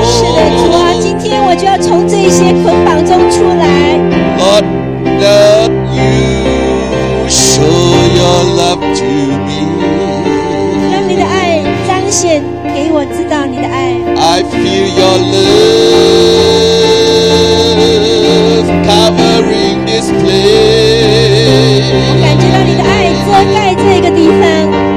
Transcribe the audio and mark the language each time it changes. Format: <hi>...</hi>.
<zh>是的，主啊，今天我就要从这些捆绑中出来。</zh> <en>Lord, let you show your love to me.</en> <zh>让你的爱彰显给我知道你的爱。</zh> <en>I feel your love covering this place.</en> <zh>我感觉到你的爱遮盖这个地方。</zh>